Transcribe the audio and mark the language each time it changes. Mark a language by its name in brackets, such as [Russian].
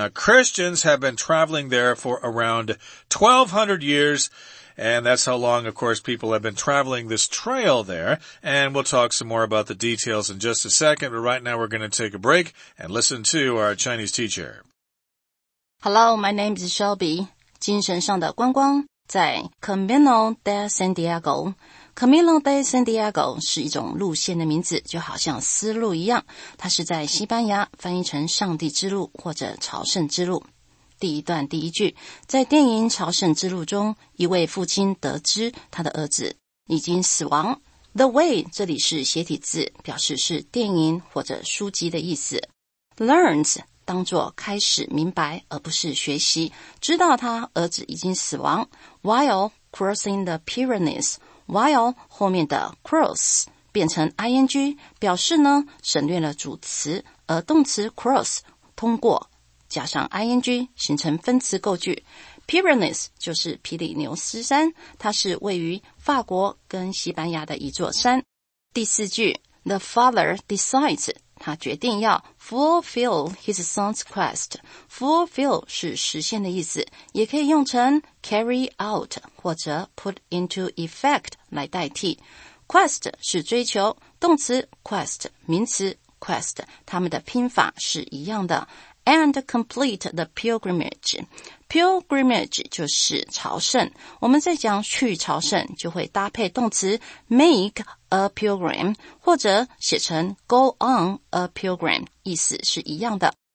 [English] Now, Christians have been traveling there for around 1,200 years, and that's how long, of course, people have been traveling this trail there. And we'll talk some more about the details in just a second, but right now we're going to take a break and listen to our Chinese teacher. Hello, my name is Shelby. [Chinese] 精神上的观光 在 Camino de Santiago。 Camino de Santiago 是一种路线的名字，就好像丝路一样，它是在西班牙翻译成上帝之路或者朝圣之路。第一段第一句，在电影《朝圣之路》中，一位父亲得知他的儿子已经死亡。 The way 这里是斜体字，表示是电影或者书籍的意思。 Learns 当作开始明白，而不是学习，知道他儿子已经死亡。 [English] While crossing the Pyrenees, [Chinese] While 后面的 cross 变成 ing 表示呢省略了主词，而动词 cross 通过加上 ing 形成分词构句。 Pyrenees 就是皮里牛斯山，它是位于法国跟西班牙的一座山。 [English] 第四句 The father decides [Chinese] 他决定要 [English] fulfill his son's quest。 [Chinese] Fulfill 是实现的意思，也可以用成 carry out 或者 put into effect来代替。 quest 是追求，动词 quest 名词 quest 它们的拼法是一样的。 [English] and complete the pilgrimage， [Chinese] pilgrimage 就是朝圣，我们在讲去朝圣就会搭配动词 make a pilgrim 或者写成 go on a pilgrim， 意思是一样的。